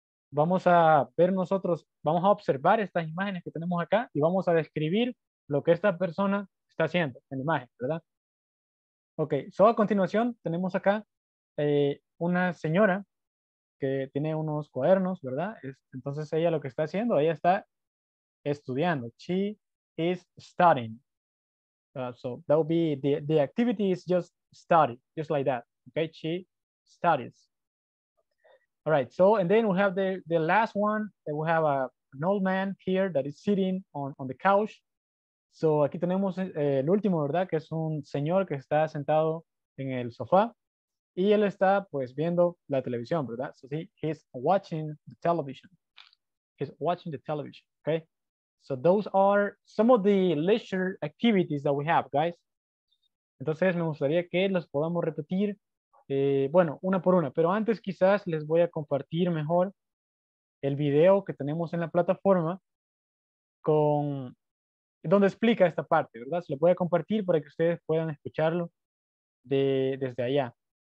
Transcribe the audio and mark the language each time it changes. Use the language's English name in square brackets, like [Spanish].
[Spanish] Vamos a ver nosotros, vamos a observar estas imágenes que tenemos acá y vamos a describir lo que esta persona está haciendo en la imagen, ¿verdad? Ok, so a continuación tenemos acá una señora que tiene unos cuadernos, ¿verdad? Entonces ella lo que está haciendo, ella está estudiando. [English] She is studying. So that would be the activity is just study, just like that. Okay, she studies. All right, so and then we have the last one. We have an old man here that is sitting on the couch. [Spanish] So aquí tenemos el último, ¿verdad? Que es un señor que está sentado en el sofá. Y él está, pues, viendo la televisión, ¿verdad? [English] So, see, he's watching the television. He's watching the television, okay? So, those are some of the leisure activities that we have, guys. [Spanish] Entonces, me gustaría que los podamos repetir, bueno, una por una. Pero antes, quizás, les voy a compartir mejor el video que tenemos en la plataforma con donde explica esta parte, ¿verdad? Se lo voy a compartir para que ustedes puedan escucharlo desde allá.